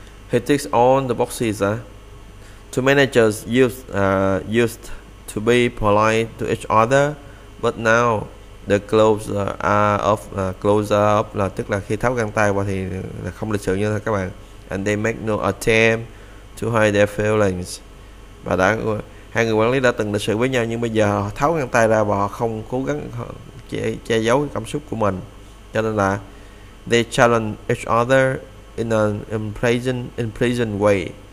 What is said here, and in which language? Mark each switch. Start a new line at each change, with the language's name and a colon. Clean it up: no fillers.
English: He ticks all the boxes. To managers used to be polite to each other, but now the gloves are off,
Vietnamese: là tức là khi tháo găng tay qua thì là không lịch sự như thế các bạn.
English: And they make no attempt to hide their feelings.
Vietnamese: Và đã hai người quản lý đã từng lịch sự với nhau nhưng bây giờ họ tháo găng tay ra và họ không cố gắng che giấu cảm xúc của mình. Cho nên là
English: they challenge each other in an unpleasant way.